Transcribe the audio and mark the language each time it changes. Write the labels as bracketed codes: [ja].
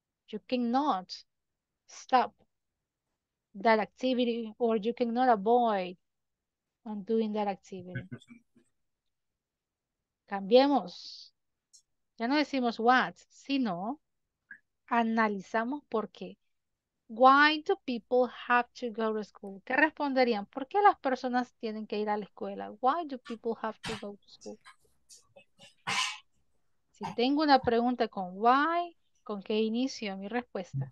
[en] You cannot stop that activity or you cannot avoid on doing that activity. [es] Cambiemos. Ya no decimos what, sino analizamos por qué. [en] Why do people have to go to school? [es] ¿Qué responderían? ¿Por qué las personas tienen que ir a la escuela? [en] Why do people have to go to school? [es] Si tengo una pregunta con why, ¿con qué inicio mi respuesta?